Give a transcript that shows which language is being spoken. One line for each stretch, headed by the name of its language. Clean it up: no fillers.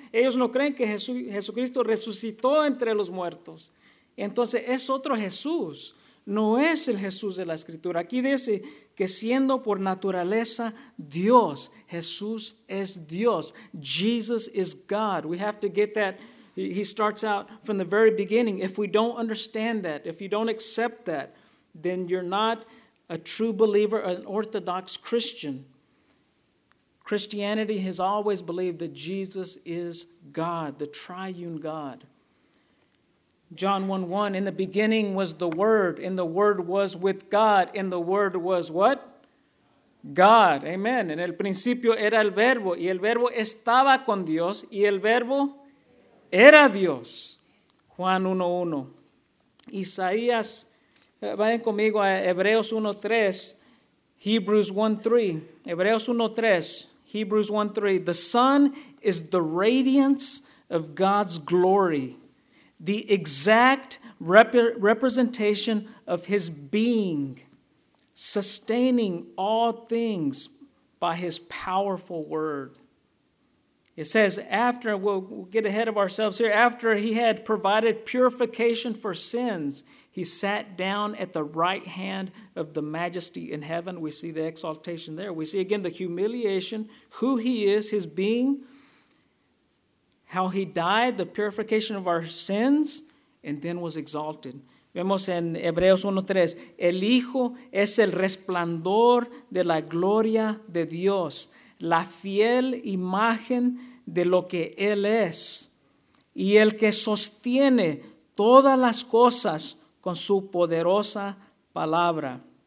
Spanish: Ellos no creen que Jesucristo resucitó entre los muertos. Entonces, es otro Jesús. No es el Jesús de la Escritura. Aquí dice que siendo por naturaleza Dios, Jesús es Dios.
English: Jesus is God. We have to get that. He starts out from the very beginning. If we don't understand that, if you don't accept that, then you're not a true believer, an orthodox Christian. Christianity has always believed that Jesus is God, the triune God. John 1:1, in the beginning was the Word, and the Word was with God, and the Word was what? God. Amen.
Spanish: En el principio era el Verbo, y el Verbo estaba con Dios, y el Verbo era Dios. Juan 1:1. Isaías, vayan conmigo a Hebreos 1:3,
English: Hebrews 1:3.
Spanish: Hebreos 1:3,
English: Hebrews 1:3. The Son is the radiance of God's glory, the exact representation of His being, sustaining all things by His powerful word. It says, after, we'll get ahead of ourselves here, after He had provided purification for sins, He sat down at the right hand of the majesty in heaven. We see the exaltation there. We see again the humiliation, who He is, His being, how He died, the purification of our sins, and then was exalted.
Spanish: Vemos en Hebreos 1:3, el Hijo es el resplandor de la gloria de Dios, la fiel imagen de lo que Él es, y el que sostiene todas las cosas con su poderosa palabra.